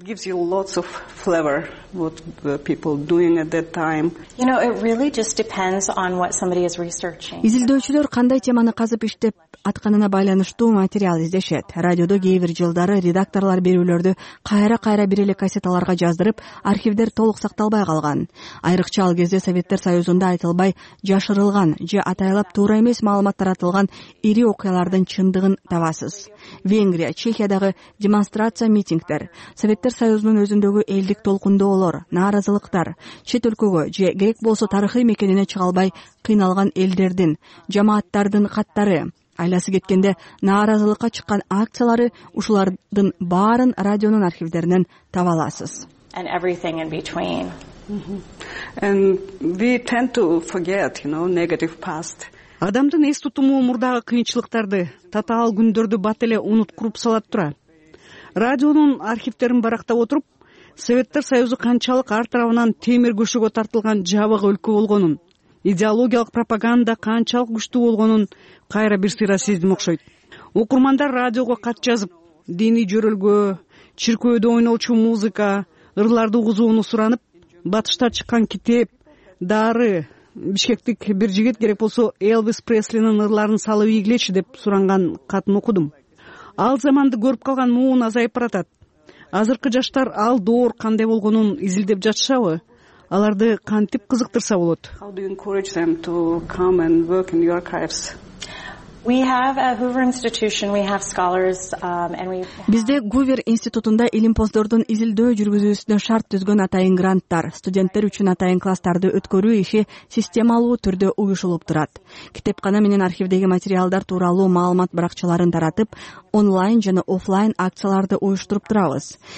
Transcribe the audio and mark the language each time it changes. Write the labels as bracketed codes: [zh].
[en] It gives you lots of flavor what people doing at that time. You know, it really just depends on what somebody is researching. [ky] Изилдөөчүлөр кандай теманы казып иштеп атканына байланыштуу материал издешет. Радиодо кээ бир жылдары редакторлор берүүлөрдү кайра-кайра бир эле кассеталарга жаздырып, архивдер толук сакталбай калган. Айрыкча ал кезде Советтер Союзунда айтылбай жашырылган же атайлап туура эмес маалымат таратылган ири окуялардын чындыгын табасыз. Венгрия, Чехиядагы демонстрация митингдер, Советтер Союзунун өзүндөгү элдик толкундоолор, нааразылыктар, чет өлкөгө же керек болсо тарыхый мекенине чыга албай кыйналган элдердин, жамааттардын каттары, айласы кеткенде нааразылыкка чыккан акциялары ушулардын баарын радионун архивдеринен таба аласыз. [en] And everything in between. And we tend to forget, you know, negative past. [ky] Адамдын эс тутуму мурдагы кыйынчылыктарды, татаал күндөрдү бат эле унуткуруп салат турат. Радионун архивдерин барактап отуруп, Советтер Союзу канчалык ар тарабынан темир көшөгө тартылган жабык өлкө болгонун, идеологиялык пропаганда канчалык күчтүү болгонун кайра бир сыйра сездим окшойт. Окурмандар радиого кат жазып, диний жөрөлгө, чиркөөдө ойнолчу музыка, ырларды угузууну суранып, батышта чыккан китеп, дары, бишкектик бир жигит керек болсо Элвис Преслинин ырларын салып ийгилечи деп суранган катын окудум. Ал заманды көрүп калган муун азайып баратат. Азыркы жаштар ал доор кандай болгонун изилдеп жатышабы? Аларды кантип кызыктырса болот? [en] How do you encourage them to come and work in your archives? We have a Hoover institution, we have scholars and we [ky] Бизде Гувер институтунда илимпоздордун изилдөө жүргүзүүсүнө шарт түзгөн атайын гранттар, студенттер үчүн атайын класстарды өткөрүү иши системалуу түрдө уюшулуп турат. Китепкана менен архивдеги материалдар тууралуу маалымат баракчаларын таратып, онлайн жана офлайн акцияларды уюштуруп турабыз.